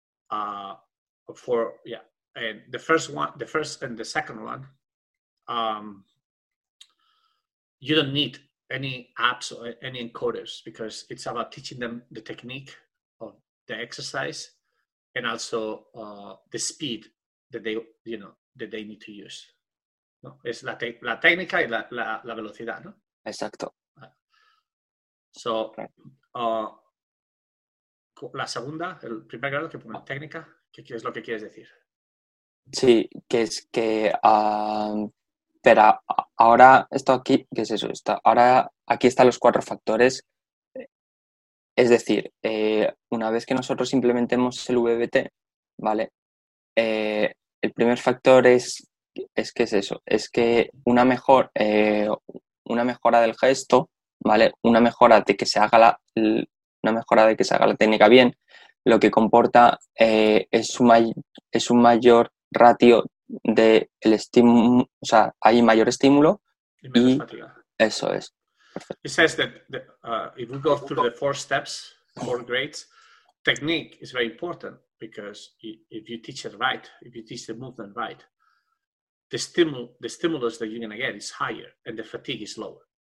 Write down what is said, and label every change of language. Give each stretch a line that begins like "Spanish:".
English: And the first and the second one, you don't need any apps or any encoders, because it's about teaching them the technique of the exercise and also the speed that they, you know, that they need to use.
Spanish: No, es la la técnica y la velocidad, ¿no? Exacto. So, la segunda, el primer grado que pone técnica, ¿qué es lo que quieres decir? Sí, que es que, pero ahora esto aquí, ¿qué es eso? Está, ahora aquí están los cuatro factores. Es decir, una vez que nosotros implementemos el VBT, ¿vale? El primer factor es que es eso, es que una mejora del gesto, ¿vale? Una mejora de que se haga la técnica bien, lo que comporta es un mayor ratio de el estímulo, o sea, hay mayor estímulo y menos fatiga. Eso es.
English: He says that if we go through the four steps, four grades, technique is very important because if you teach it right, if you teach the movement right, the stimulus that you're going to get is higher and the fatigue is lower.